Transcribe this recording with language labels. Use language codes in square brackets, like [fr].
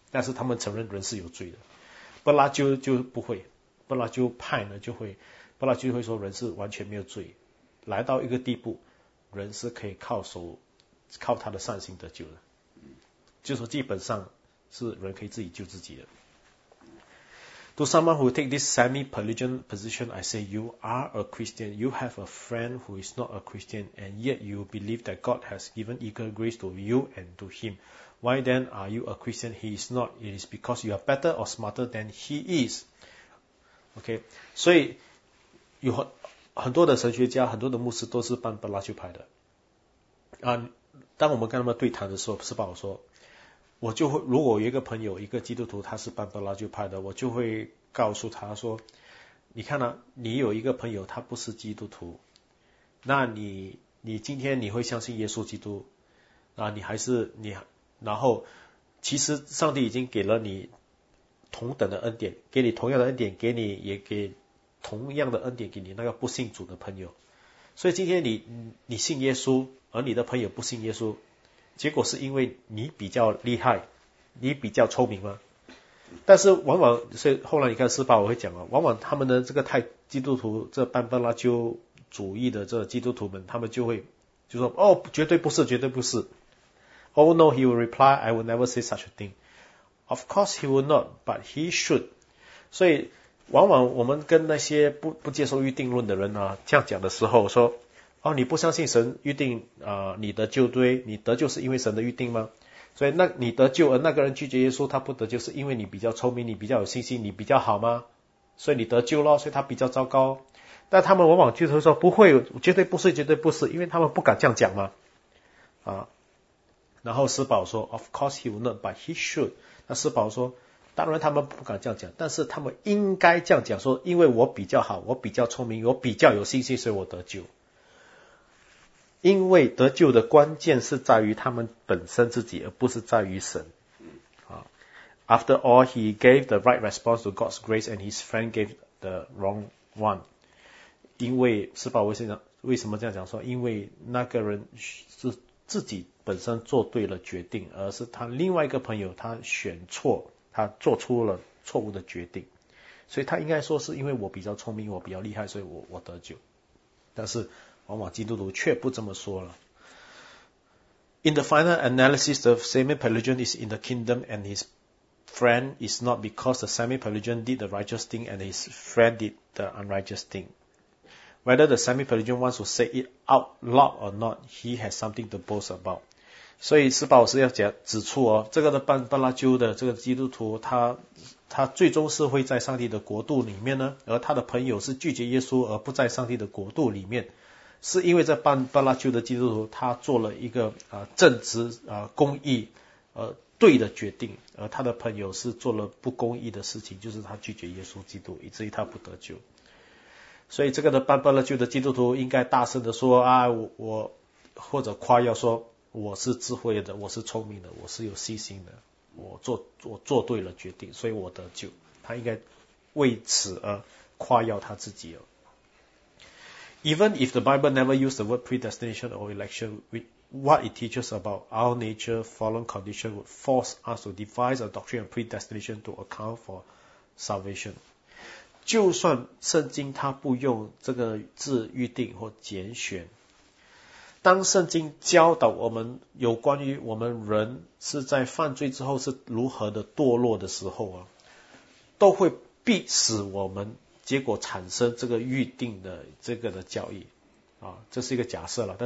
[zh] 但是他们承认人是有罪的。不拉救就不会，不拉救派呢就会，不拉救会说人是完全没有罪，来到一个地步人是可以靠他的善行得救的，就是说基本上是人可以自己救自己的。 [en] To someone who take this semi-Pelagian position, I say you are a Christian. You have a friend who is not a Christian, and yet you believe that God has given equal grace to you and to him. Why then are you a Christian? He is not. It is because you are better or smarter than he is. Okay. [zh] 所以有很多的神学家，很多的牧师都是半巴拉丘派的。当我们跟他们对谈的时候，是把我说。我就会，如果有一个朋友，一个基督徒，他是半巴拉丘派的，我就会告诉他说：“你看啊，你有一个朋友，他不是基督徒，那你今天你会相信耶稣基督啊？你还是你，然后其实上帝已经给了你同等的恩典，给你同样的恩典，给你也给同样的恩典给你那个不信主的朋友。所以今天你信耶稣，而你的朋友不信耶稣。” 结果是因为你比较厉害，你比较聪明吗？但是往往，所以后来你看斯巴我会讲啊，往往他们的这个太基督徒，这半巴拉丘主义的这基督徒们，他们就会就说哦，绝对不是，绝对不是。 [en] Oh no, he will reply, I will never say such a thing. Of course he will not, but he should. [zh] 所以往往我们跟那些不接受预定论的人啊，这样讲的时候说。哦，你不相信神预定你的救堆，你得救是因为神的预定吗？所以那你得救，而那个人拒绝耶稣，他不得救是因为你比较聪明，你比较有信心，你比较好吗？所以你得救咯，所以他比较糟糕。但他们往往就是说不会，绝对不是，绝对不是，因为他们不敢这样讲嘛。然后斯宝说 ， [en] Of course he will not, but he should。 [zh] 那斯宝说，当然他们不敢这样讲，但是他们应该这样讲说，因为我比较好，我比较聪明，我比较有信心，所以我得救。因为得救的关键是在于他们本身自己，而不是在于神。 [en] After all, he gave the right response to God's grace, and his friend gave the wrong one. [zh] 因为斯巴维先生为什么这样讲说？因为那个人是自己本身做对了决定，而是他另外一个朋友他选错，他做出了错误的决定。所以他应该说是因为我比较聪明，我比较厉害，所以我得救。但是往往基督徒却不这么说了。 [en] In the final analysis, the semi-pelagian is in the kingdom and his friend is not because the semi-pelagian did the righteous thing and his friend did the unrighteous thing. Whether the semi-pelagian wants to say it out loud or not, he has something to boast about. [zh] 所以斯巴老师要指出哦，这个的班巴拉鸠的这个基督徒，他最终是会在上帝的国度里面呢，而他的朋友是拒绝耶稣而不在上帝的国度里面。是因为这班巴拉鸠的基督徒他做了一个正直公义对的决定，而他的朋友是做了不公义的事情，就是他拒绝耶稣基督，以至于他不得救。所以这个的班巴拉鸠的基督徒应该大声的说啊，我或者夸耀说我是智慧的，我是聪明的，我是有信心的，我做对了决定，所以我得救。他应该为此而夸耀他自己哦。 [en] Even if the Bible never used the word predestination or election, what it teaches about our nature, fallen condition would force us to devise a doctrine of predestination to account for salvation. [zh] 就算圣经它不用这个字预定或拣选，当圣经教导我们有关于我们人是在犯罪之后是如何的堕落的时候啊，都会逼使我们结果产生这个预定的这个的教义啊，这是一个假设了。